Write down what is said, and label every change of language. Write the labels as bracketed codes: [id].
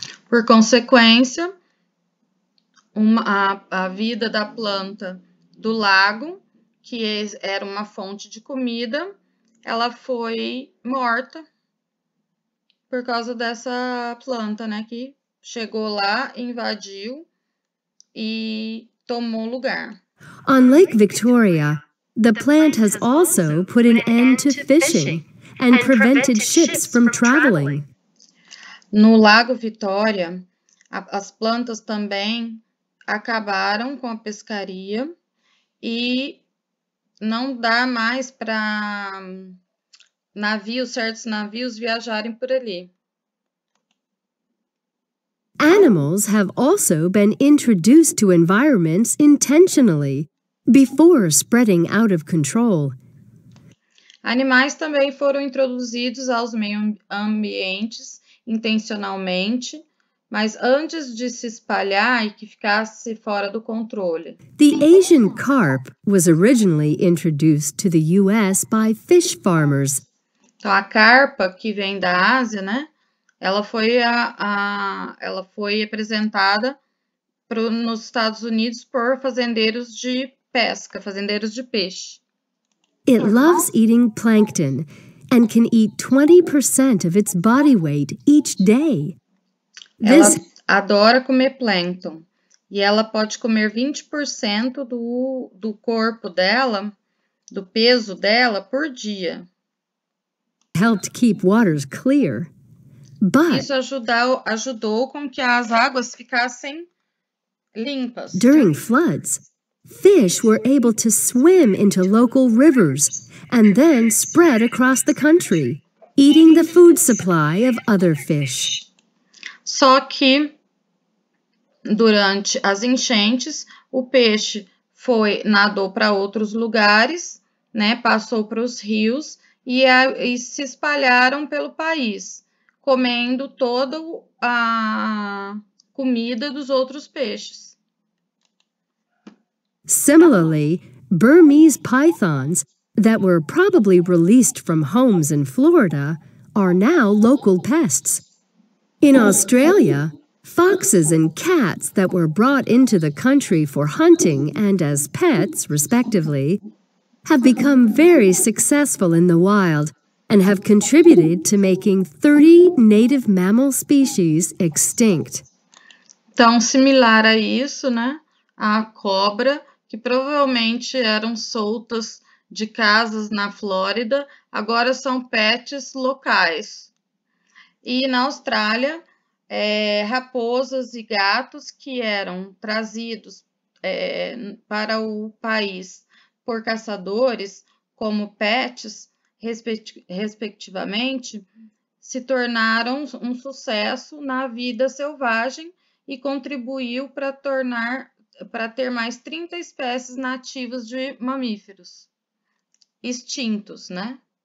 [pt] Por consequência, a vida da planta do lago, que era uma fonte de comida, ela foi morta por causa dessa planta, né, que chegou lá, invadiu e tomou lugar. [en] On Lake Victoria, the plant has also put an end to fishing and prevented ships from traveling. [pt] No Lago Vitória, as plantas também acabaram com a pescaria e não dá mais para certos navios viajarem por ali. [en] Animals have also been introduced to environments intentionally before spreading out of control. [pt] Animais também foram introduzidos aos meio ambientes intencionalmente, mas antes de se espalhar e que ficasse fora do controle. [en] The Asian carp was originally introduced to the US by fish farmers. [pt] Então, a carpa que vem da Ásia, né? Ela foi ela foi apresentada nos Estados Unidos por fazendeiros de pesca, fazendeiros de peixe. [en] It loves eating plankton and can eat 20% of its body weight each day. [pt] Ela adora comer plâncton e ela pode comer 20% do corpo dela, do peso dela, por dia. [en] Helped keep waters clear. [pt] Isso ajudou com que as águas ficassem limpas. [en] During floods, fish were able to swim into local rivers and then spread across the country, eating the food supply of other fish. [pt] Só que durante as enchentes, o peixe foi, nadou para outros lugares, né? Passou para os rios e se espalharam pelo país, comendo toda a comida dos outros peixes. [en] Similarly, Burmese pythons that were probably released from homes in Florida are now local pests. In Australia, foxes and cats that were brought into the country for hunting and as pets, respectively, have become very successful in the wild and have contributed to making 30 native mammal species extinct. [pt] Tão similar a isso, né? A cobra, que provavelmente eram soltas de casas na Flórida, agora são pets locais. E na Austrália, raposas e gatos que eram trazidos para o país por caçadores como pets, respectivamente, se tornaram um sucesso na vida selvagem e contribuiu para ter mais 30 espécies nativas de mamíferos extintos, né?